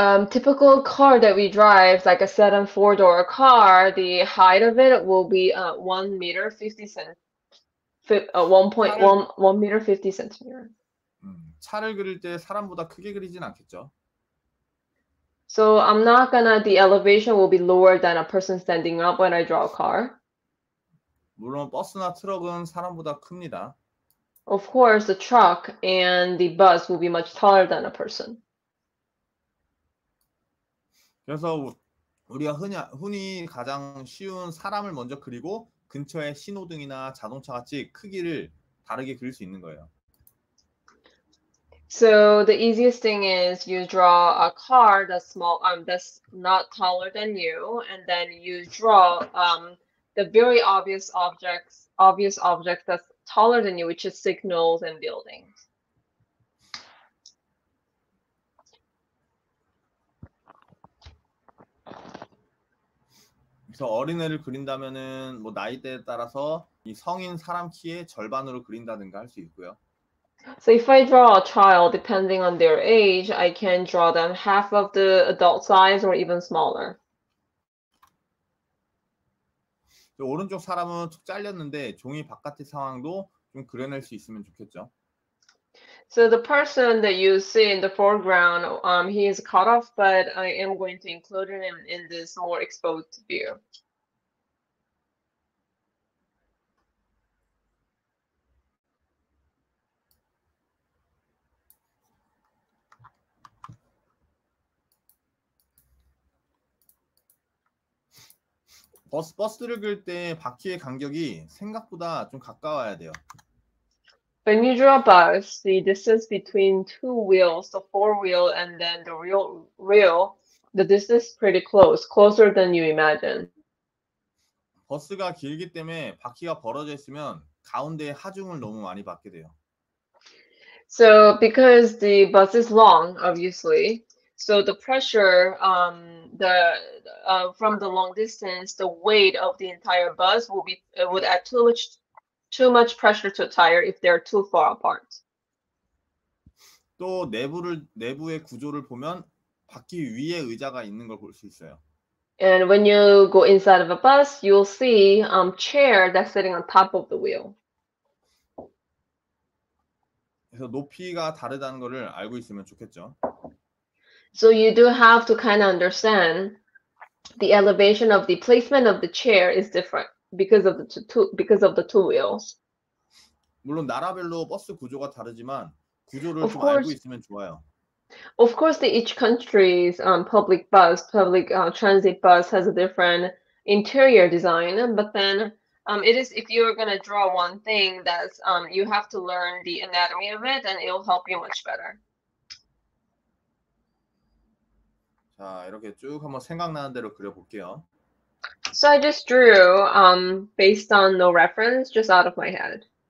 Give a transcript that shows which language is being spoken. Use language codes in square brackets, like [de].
[en] Typical car that we drive, like a sedan four-door car, the height of it will be 1.1 meter 50 centimeter. [ko] 차를 그릴 때 사람보다 크게 그리진 않겠죠. [en] So I'm not gonna. The elevation will be lower than a person standing up when I draw a car. [ko] 물론 버스나 트럭은 사람보다 큽니다. [en] Of course, the truck and the bus will be much taller than a person. [ko] 그래서 우리가 흔히 가장 쉬운 사람을 먼저 그리고 근처에 신호등이나 자동차 같이 크기를 다르게 그릴 수 있는 거예요. [en] So the easiest thing is you draw a car that's small, that's not taller than you, and then you draw the very obvious object that's taller than you, which is signals and buildings. [ko] 그래서 어린애를 그린다면은 뭐 나이대에 따라서 이 성인 사람 키의 절반으로 그린다든가 할 수 있고요. [en] So if I draw a child, depending on their age, I can draw them half of the adult size or even smaller. [ko] 오른쪽 사람은 툭 잘렸는데 종이 바깥의 상황도 좀 그려낼 수 있으면 좋겠죠. [en] So the person that you see in the foreground, he is cut off, but I am going to include him in this more exposed view. [ko] 버스를 그릴 때 바퀴의 간격이 생각보다 좀 가까워야 돼요. [en] When you draw a bus, the distance between two wheels, the four wheel and then the rear, the distance is pretty close, closer than you imagine. [ko] 버스가 길기 때문에 바퀴가 벌어져 있으면 가운데에 하중을 너무 많이 받게 돼요. [en] So because the bus is long, obviously, so the pressure from the long distance, the weight of the entire bus would add too much pressure to a tire if they're too far apart. [ko] 또 내부의 구조를 보면 바퀴 위에 의자가 있는 걸 볼 수 있어요. [en] And when you go inside of a bus, you'll see chair that's sitting on top of the wheel. [ko] 그래서 높이가 다르다는 거를 알고 있으면 좋겠죠. [en] So you do have to kind of understand the elevation of the placement of the chair is different because of the two wheels. [ko] 물론 나라별로 버스 구조가 다르지만 구조를 좀 알고 있으면 좋아요. [en] Of course, each country's public transit bus has a different interior design. But then, it is if you are gonna draw one thing that's you have to learn the anatomy of it, and it'll help you much better. [ko] 자 이렇게 쭉 한번 생각나는 대로 그려볼게요. [en] So I just drew based on no reference, just out of my head.